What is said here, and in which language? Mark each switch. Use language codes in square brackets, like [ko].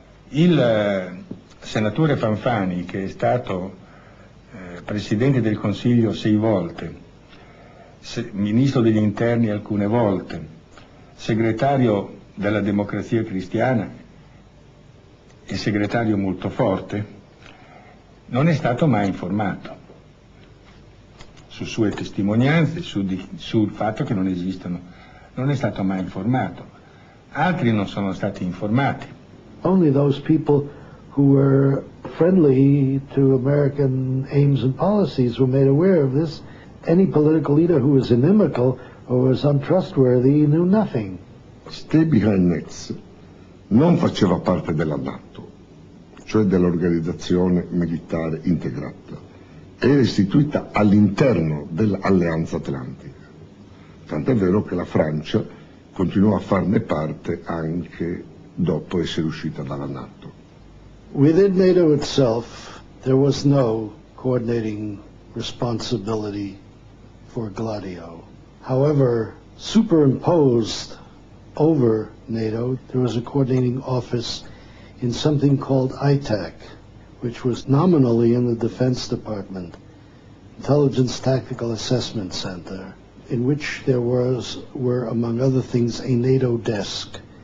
[it] Il senatore Fanfani, che è stato presidente del Consiglio sei volte, ministro degli interni alcune volte, segretario della Democrazia Cristiana e segretario molto forte, non è stato mai informato su sue testimonianze, sul fatto che non esistono, non è stato mai informato. Altri non sono stati informati. [en] Only those people who were friendly to American aims and policies were made aware of this. Any political leader who was inimical or was untrustworthy knew nothing. [it] Stebian Netz non faceva parte della NATO, cioè dell'organizzazione militare integrata. Era istituita all'interno dell'Alleanza Atlantica. Tant'è vero che la Francia continuò a farne parte anche dopo essere uscita dalla NATO. [en] Within NATO itself, there was no coordinating responsibility for Gladio. However, superimposed over NATO, there was a coordinating office in something called ITAC, which was nominally in the Defense Department, Intelligence Tactical Assessment Center, in which there were, among other things, a NATO desk.